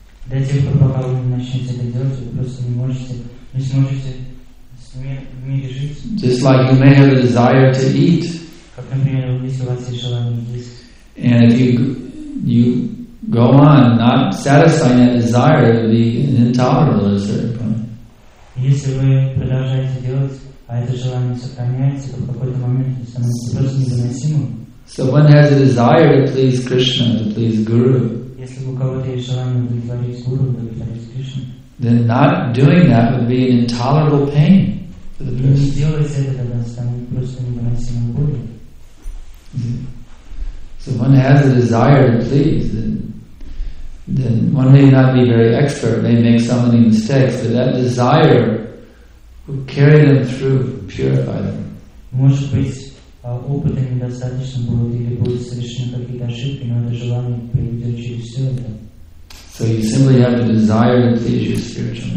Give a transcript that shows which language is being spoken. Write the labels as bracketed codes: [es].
[ru] До тех пор, пока вы не начнете это делать, вы просто не сможете с мире жить. [en] Just like you may have a desire to eat. [ru] Как, например, если у вас есть желание есть. [en] And if you go on not satisfying that desire, it would be an intolerable at a certain point. [ru] Если вы продолжаете делать, а это желание сохраняется, то в какой-то момент это становится просто невыносимым. [en] So one has a desire to please Krishna, to please Guru. [ru] Если у кого-то есть желание удовлетворить Гуру, удовлетворить Кришну. [en] Then not doing that would be an intolerable pain for the person. [ru] Не делать это, тогда станет просто невыносимым болью. [en] So one has a desire to please, then one may not be very expert, may make so many mistakes, but that desire will carry them through and purify them. [ru] Может быть, опыта недостаточно будет или будут совершены какие-то ошибки, но это желание приведет через все это. [en] So you simply have a desire to please your spiritual